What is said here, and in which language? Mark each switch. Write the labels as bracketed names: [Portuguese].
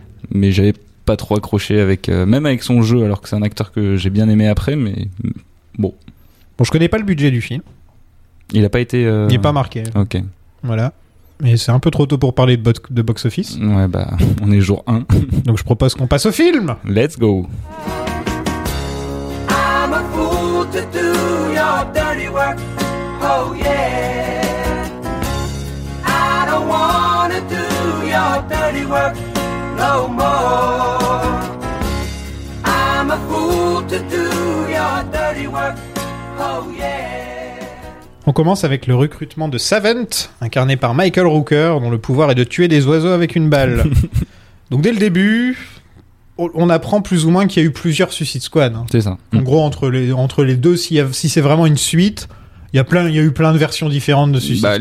[French] Mais j'avais pas trop accroché avec... même avec son jeu, alors que c'est un acteur que j'ai bien aimé après, mais... Bon. Bon, je connais pas le budget du film. Il n'a pas été... Il n'est pas marqué. Ok. Voilà. Mais c'est un peu trop tôt pour parler de box-office. Ouais, on est jour 1. Donc je propose qu'on passe au film. [English] Let's go. I'm a fool to do your dirty work. Oh yeah. I don't wanna do your dirty work. work no more. I'm a fool to do your dirty work. Oh yeah. [French] On commence avec le recrutement de Savant, incarné par Michael Rooker, dont le pouvoir est de tuer des oiseaux avec une balle. Donc dès le début, on apprend plus ou moins qu'il y a eu plusieurs Suicide Squad. Hein. C'est ça. En gros, entre les deux, si c'est vraiment une suite, il y a eu plein de versions différentes de Suicide Squad.